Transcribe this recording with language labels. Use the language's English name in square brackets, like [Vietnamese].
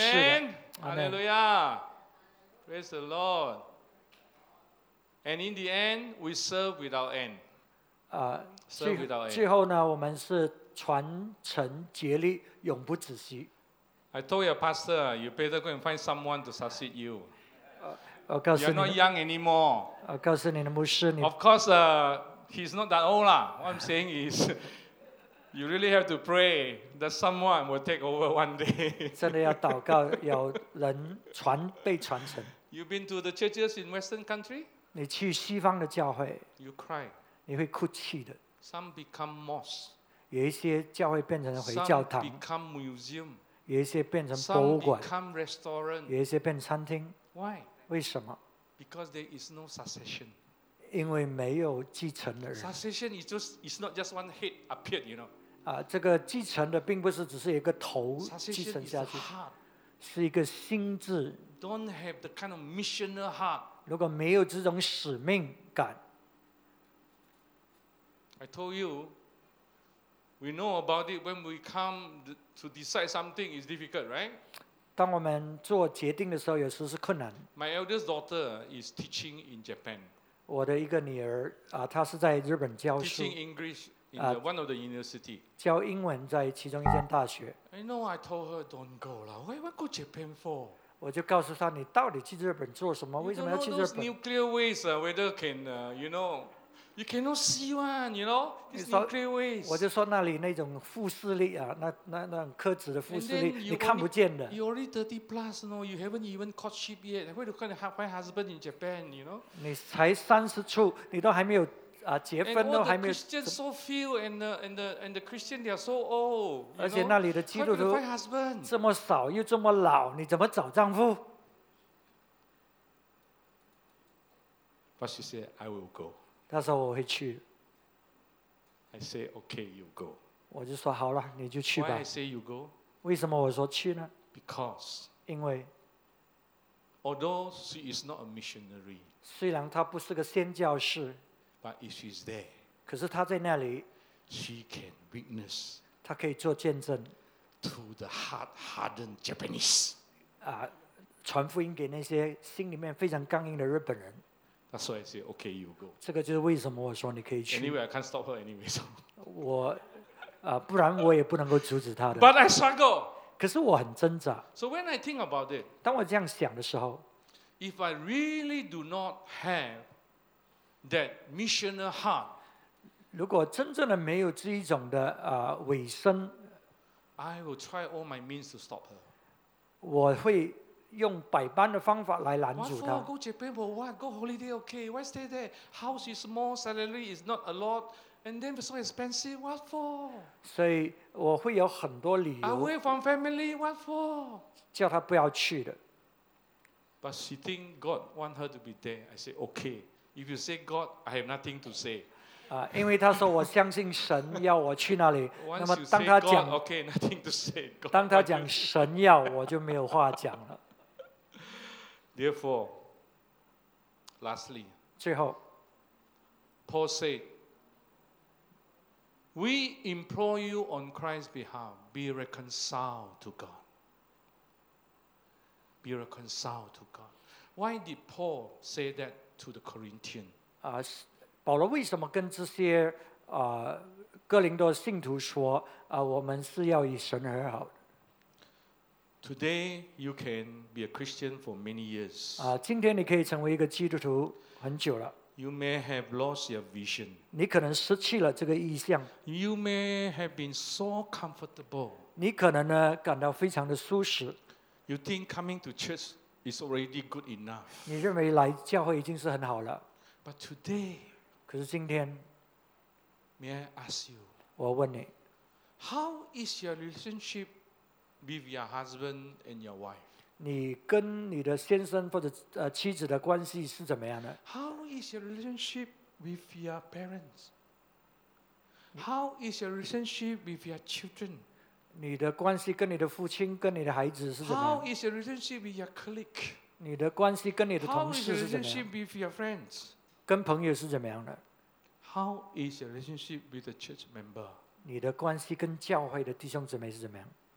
[English] Amen. Hallelujah. Praise the Lord. And in the end, we serve without end. Serve without end. [Chinese] 最后呢, 我们是传承竭力, 永不止息。 [English] I told your pastor, you better go and find someone to succeed you. [Chinese] 我告诉你, [English] you're not young anymore. [Chinese] 我告诉你的牧师, 你, [English] of course, he's not that old. What I'm saying is, you really have to pray that someone will take over one day. [Chinese] 真的要祷告, 有人传, 被传承。 [English] You've been to the churches in Western country? [Chinese] 你去西方的教会, [English] you cry. [Chinese] 你会哭泣的。 [English] Some become mosques. [Chinese] 有一些教会变成回教堂。 [English] Some become museum. [Chinese] 有一些变成博物馆。 [English] Some become restaurant. [Chinese] 有一些变餐厅。 [English] Why? [Chinese] 为什么? [English] Because there is no succession. [Chinese] 因为没有继承的人。 [English] Succession is just, it's not just one head appeared, you know. [Chinese] 这个继承的并不是只是一个头继承下去。是一个心智。 [English] Don't have the kind of missional heart. [Chinese] 如果没有这种使命感。 [English] I told you, we know about it when we come to decide something is difficult, right? [Chinese] 当我们做决定的时候，有时是困难。 [English] My eldest daughter is teaching in Japan. [Chinese] 我的一个女儿, 她是在日本教书。 [English] Teaching English in one of the university. [Chinese] 教英文在其中一间大学。 [English] I know, I told her don't go lah. Why would go Japan for? [Chinese] 我就告诉她, 你到底去日本做什么? 为什么要去日本? [English] You don't know those nuclear waste, whether can, you know, you cannot see one, you know, these nuclear waves. [Chinese] 我就说那里那种复视力, 那种科子的复视力, 你看不见的。 [English] You're already 30 plus, you know, you haven't even caught ship yet. Where to find husband in Japan, you know? [Chinese] 你才30出, 你都还没有, 结婚, [English] and all the Christians so few, and the Christians, they are so old. [Chinese] 而且那里的基督徒, [English] find husband? [Chinese] 这么少, 又这么老, 你怎么找丈夫? [English] But she said, I will go. [Chinese] 他说我会去。 [English] I say, okay, you go. [Chinese] 我就说好了, 你就去吧。 [English] Why I say you go? [Chinese] 为什么我说去呢? [English] Because. [Chinese] 因为, [English] although she is not a missionary, [Chinese] 虽然她不是个宣教士, [English] but if she's there, [Chinese] 可是她在那里, [English] she can witness. [Chinese] 她可以做见证。 [English] to the hard-hardened Japanese. [Chinese] 传福音给那些心里面非常刚硬的日本人。 [English] That's why I say, okay, you go. [Chinese] 这个就是为什么我说你可以去。 [English] Anyway, I can't stop her anyway. So. [Chinese] 我不然我也不能够阻止他的。 [English] But I struggle. [Chinese] 可是我很挣扎。 [English] So when I think about it, [Chinese] 当我这样想的时候 [English] ，If I really do not have that missional heart, [Chinese] 如果真正的没有这一种的尾声 [English] ，I will try all my means to stop her. [Chinese] 我会用百般的方法来拦住他。 [English] Why for go Japan? Why go holiday? Okay, why stay there? House is small, salary is not a lot. And then so expensive, what for? [Chinese] 所以我会有很多理由。 [English] Away from family, what for? [Chinese] 叫她不要去的。 [English] But she think God want her to be there. I say okay. If you say God, I have nothing to say. [Chinese] 因为她说我相信神要我去那里。那么当她讲 [English] okay, nothing to say. [Chinese] 当她讲神要，我就没有话讲了。 [English] Therefore, lastly, [Chinese] 最后 [English] Paul said. We implore you on Christ's behalf, be reconciled to God. Be reconciled to God. Why did Paul say that to the Corinthians? [Chinese] 保罗为什么跟这些哥林多信徒说我们是要与神和好的？ [English] Today you can be a Christian for many years. [Chinese] 今天你可以成为一个基督徒很久了。 [English] You may have lost your vision. [Chinese] 你可能失去了这个意象。 [English] You may have been so comfortable. [Chinese] 你可能呢感到非常的舒适。 [English] You think coming to church is already good enough. [Chinese] 你认为来教会已经是很好了。 [English] But today, [Chinese] 可是今天 [English] ，May I ask you? [Chinese] 我问你 [English] ，How is your relationship with your husband and your wife? [Chinese] 你跟你的先生或者妻子的关系是怎么样的 [English] ？How is your relationship with your parents? How is your relationship with your children? [Chinese] 你的关系跟你的父亲、跟你的孩子是怎么样 [English] ？How is your relationship with your colleague? [Chinese] 你的关系跟你的同事是怎么样 [English] ？How is your relationship with your friends? [Chinese] 跟朋友是怎么样的 [English] ？How is your relationship with the church member? [Chinese] 你的关系跟教会的弟兄姊妹是怎么样